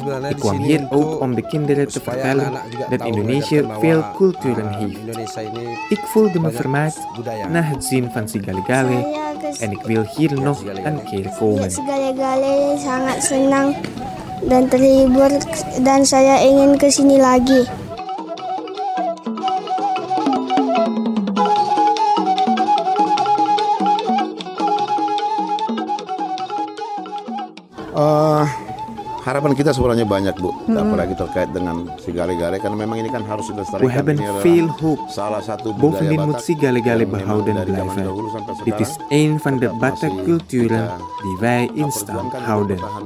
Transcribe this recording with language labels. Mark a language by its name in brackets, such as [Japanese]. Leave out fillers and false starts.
[Dutch] Ik kwam hier ook om de kinderen te vertellen dat Indonesië veel culturen heeft. Ik voelde me vermaakt na het zien van Sigaligali en ik wil hier nog een keer komen. [Indonesian] Sigaligali sangat senang dan terhibur dan saya ingin ke sini lagi. Harapan kita sebenarnya banyak, Bu. Apalagi terkait dengan Sigaligali, karena memang ini kan harus dilestarikan. [Dutch] We hebben veel hoop. Bovendien moet Sigaligali behouden blijven. Dit is een van de Batak culturen die wij in stand houden.